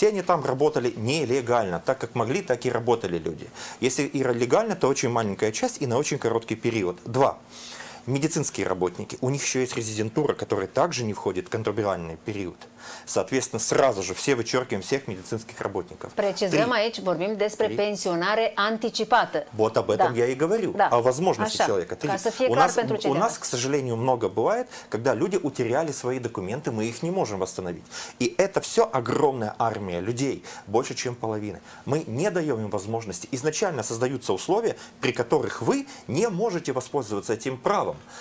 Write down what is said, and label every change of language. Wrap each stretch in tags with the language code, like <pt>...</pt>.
<ru>Все они там работали нелегально. Так как могли, так и работали люди. Если и легально, то очень маленькая часть и на очень короткий период. Два. Медицинские работники, у них еще есть резидентура, которая также не входит в контрабилальный период. Соответственно, сразу же все вычеркиваем всех медицинских работников.</ru> <ro>Precizăm aici, vorbim despre pensionare anticipată.</ro> <ru>Вот об этом я и говорю. Да. О возможности</ru> <ro>Așa.</ro> <ru>Человека. Три. У нас, к сожалению, много бывает, когда люди утеряли свои документы, мы их не можем восстановить. И это все огромная армия людей, больше чем половины. Мы не даем им возможности. Изначально создаются условия, при которых вы не можете воспользоваться этим правом.</ru>